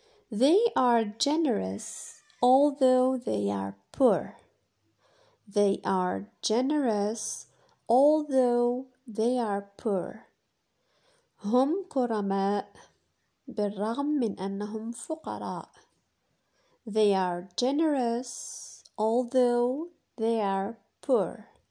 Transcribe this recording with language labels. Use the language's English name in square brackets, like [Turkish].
[English] They are generous although they are poor. They are generous although they are poor. [Arabic] هم كرماء بالرغم من أنهم فقراء. [English] They are generous although they are poor.